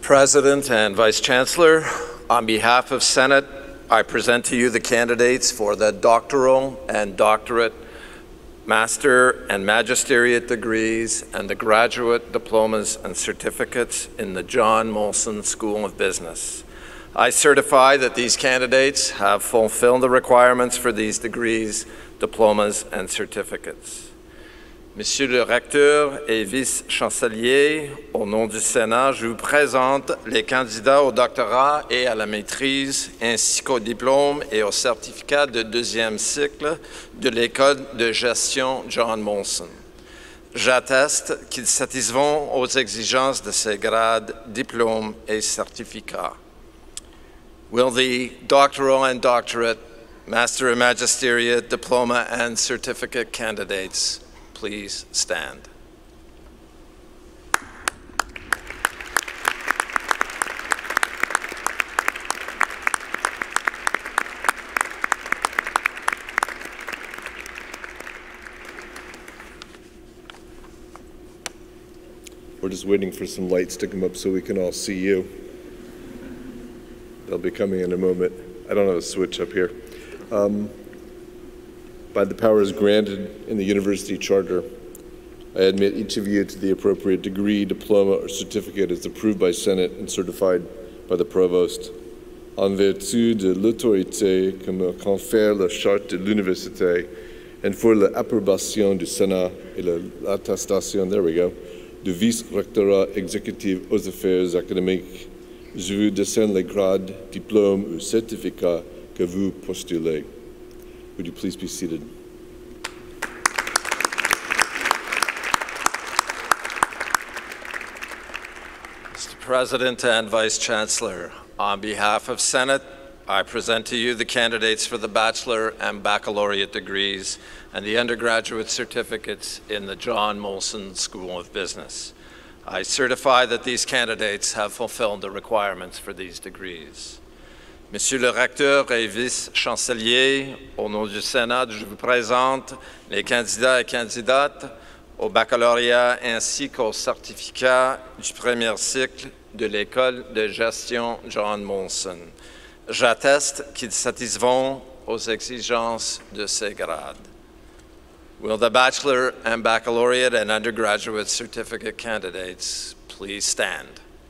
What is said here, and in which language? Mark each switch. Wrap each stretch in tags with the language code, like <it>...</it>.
<en>President and Vice Chancellor, on behalf of Senate, I present to you the candidates for the doctoral and doctorate, master and magisteriate degrees, and the graduate diplomas and certificates in the John Molson School of Business. I certify that these candidates have fulfilled the requirements for these degrees, diplomas, and certificates.</en> <fr>Monsieur le recteur et vice-chancelier, au nom du Sénat, je vous présente les candidats au doctorat et à la maîtrise, ainsi qu'au diplôme et au certificat de deuxième cycle de l'École de gestion John Molson. J'atteste qu'ils satisfont aux exigences de ces grades, diplômes et certificats.</fr> <en>Will the doctoral and doctorate, master and magisteriate, diploma and certificate candidates please stand? We're just waiting for some lights to come up so we can all see you. They'll be coming in a moment. I don't have a switch up here. By the powers granted in the university charter, I admit each of you to the appropriate degree, diploma, or certificate as approved by Senate and certified by the provost.</en> <fr>En vertu de l'autorité que me confère la charte de l'université,</fr> <en>and for the</en> <fr>approbation du Sénat et l'attestation,</fr> <en>there we go,</en> <fr>du vice-rectorat exécutif aux affaires académiques, je vous décerne les grades, diplômes ou certificats que vous postulez.</fr> <en>Would you please be seated? Mr. President and Vice Chancellor, on behalf of Senate, I present to you the candidates for the bachelor and baccalaureate degrees and the undergraduate certificates in the John Molson School of Business. I certify that these candidates have fulfilled the requirements for these degrees.</en> <fr>Monsieur le recteur et vice-chancelier, au nom du Sénat, je vous présente les candidats et candidates au baccalauréat ainsi qu'au certificat du premier cycle de l'école de gestion John Molson. J'atteste qu'ils satisfont aux exigences de ces grades.</fr> <en>Will the bachelor and baccalaureate and undergraduate certificate candidates please stand?</en>